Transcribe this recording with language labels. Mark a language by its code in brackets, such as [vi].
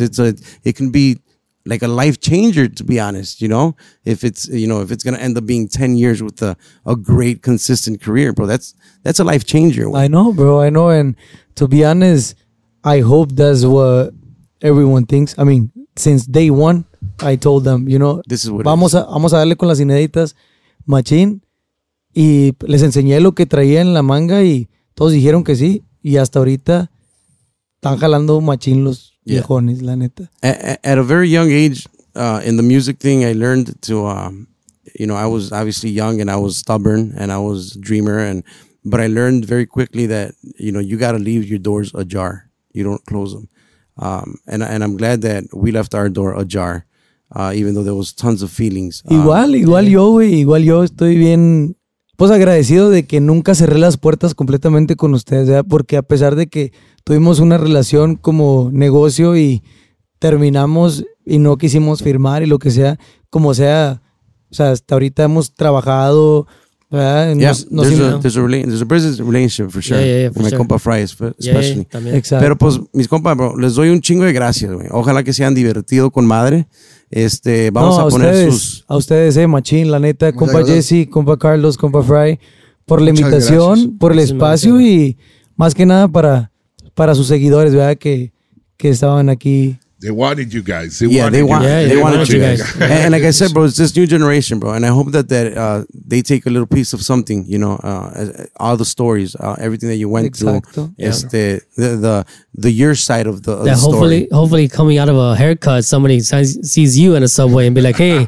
[en] It can be like a life changer, to be honest, you know, if it's going to end up being 10 years with a great, consistent career, bro, that's a life changer. I know, bro. I know. And to be honest, I hope that's what everyone thinks. I mean, since day one, I told them, you know, this is what [es] vamos a darle con las ineditas, machín. Y les enseñé lo que traía en la manga y todos dijeron que sí. Y hasta ahorita, están jalando machín los viejones, la neta. [en] At a very young age, in the music thing, I learned to, you know, I was obviously young and I was stubborn and I was a dreamer. But I learned very quickly that, you know, you got to leave your doors ajar. You don't close them. And I'm glad that we left our door ajar, even though there was tons of feelings. [es] Igual yo estoy bien, pues agradecido de que nunca cerré las puertas completamente con ustedes, ¿verdad? Porque a pesar de que tuvimos una relación como negocio y terminamos y no quisimos firmar y lo que sea, como sea, o sea, hasta ahorita hemos trabajado, ¿verdad? [en] There's a business relationship for sure. Yeah, for sure. My compa Fry especially. Yeah, exactly. [es] Pero pues, mis compas, bro, les doy un chingo de gracias, güey. Ojalá que se hayan divertido con madre. Vamos a poner a ustedes, machín, la neta, compa Jesse, compa Carlos, compa Fry, por la invitación, por el espacio y más que nada para sus seguidores, ¿verdad? Que estaban aquí. [en] They wanted you guys. They wanted you guys. And like I said, bro, it's this new generation, bro. And I hope that they take a little piece of something, you know, all the stories, everything that you went through. Yeah. The your side of the story. Hopefully coming out of a haircut, somebody sees you in a subway and be like, hey.